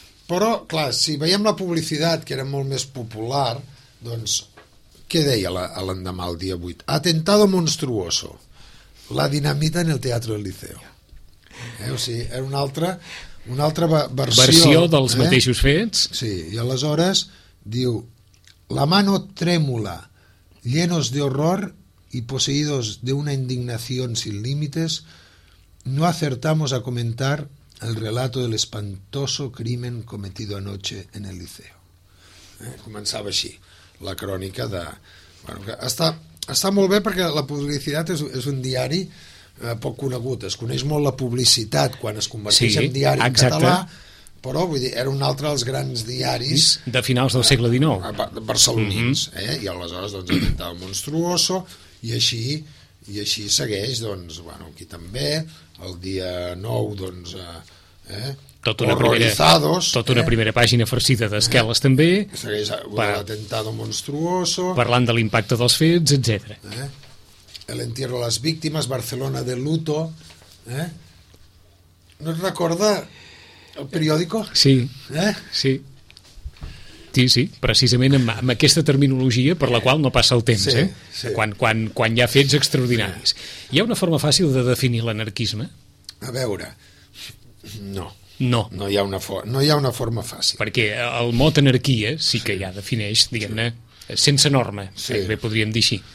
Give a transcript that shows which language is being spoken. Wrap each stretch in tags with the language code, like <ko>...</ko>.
<ca>Però, clar, si veiem la publicitat, que era molt més popular, doncs, què deia l'endemà, el dia 8?</ca> <es>Atentado monstruoso. La dinamita en el Teatro del Liceo.</es> <ca>O sigui, era una altra versió dels mateixos fets. Sí, i aleshores diu</ca> <es>la mano trémula, llenos de horror y poseídos de una indignación sin límites, no acertamos a comentar el relato del espantoso crimen cometido anoche en el Liceo.</es> <ca>Començava així la crònica de... Bueno, que està molt bé perquè la publicitat és un diari poc conegut. Es coneix molt la publicitat quan es converteix en diari, exacte, en català, però vull dir, era un altre dels grans diaris de finals del segle XIX barcelonins, i aleshores doncs, el Monstruoso, i així segueix, doncs, bueno, aquí també el dia 9, doncs, tota una primera pàgina farcida d'esqueles, també segueix l'atentado Monstruoso, parlant de l'impacte dels fets, etc.</ca> <es>El entierro a las víctimas, Barcelona de luto,</es> <ca>¿No recorda</ca> <es>el periòdico?</es> <ca>Sí, sí. Sí, precisament amb aquesta terminologia per la qual no passa el temps, quan hi ha fets extraordinaris. Hi ha una forma fàcil de definir l'anarquisme? A veure, no. No. No hi ha una forma fàcil. Perquè el mot anarquia sí que ja defineix, diguem-ne, sense norma, bé podríem dir així.</ca>